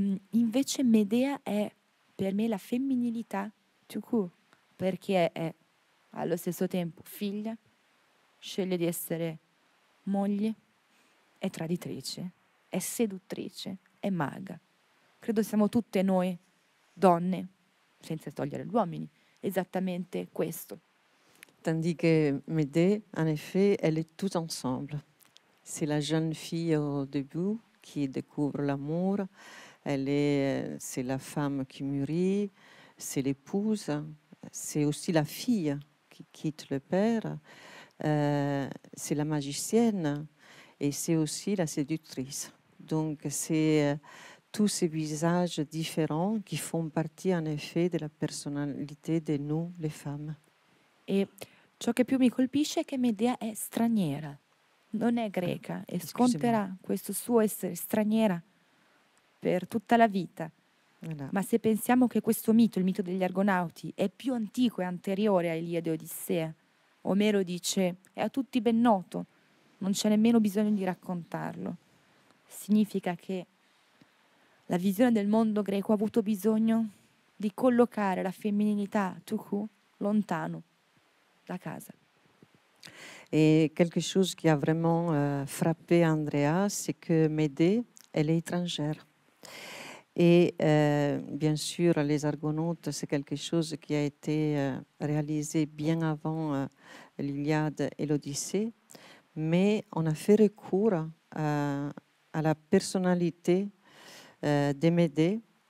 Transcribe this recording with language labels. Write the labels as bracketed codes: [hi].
[it] Invece Medea è per me la femminilità più cool, perché è allo stesso tempo figlia, sceglie di essere moglie, è traditrice, è seduttrice, è maga. Credo siamo tutte noi donne, senza togliere gli uomini, esattamente questo. [fr] Tandis que Medea, en effet, elle est tout ensemble. C'est la jeune fille au début qui découvre l'amour. Elle est, c'est la femme qui mûrit, c'est l'épouse, c'est aussi la fille qui quitte le père, c'est la magicienne et c'est aussi la séductrice. Donc c'est tous ces visages différents qui font partie en effet de la personnalité de nous, les femmes. [it] Et ciò che più mi colpisce è che Medea è straniera, non è greca, e sconterà questo suo essere straniera per tutta la vita. No. Ma se pensiamo che questo mito, il mito degli Argonauti, è più antico e anteriore a Iliade e Odissea, Omero dice, è a tutti ben noto, non c'è nemmeno bisogno di raccontarlo. Significa che la visione del mondo greco ha avuto bisogno di collocare la femminilità tuku lontano da casa. [fr] E quelque chose qui a vraiment frappé Andrea, c'est que Médée, elle est étrangère. Et bien sûr, les Argonautes, c'est quelque chose qui a été réalisé bien avant l'Iliade et l'Odyssée, mais on a fait recours à la personnalité de Médée.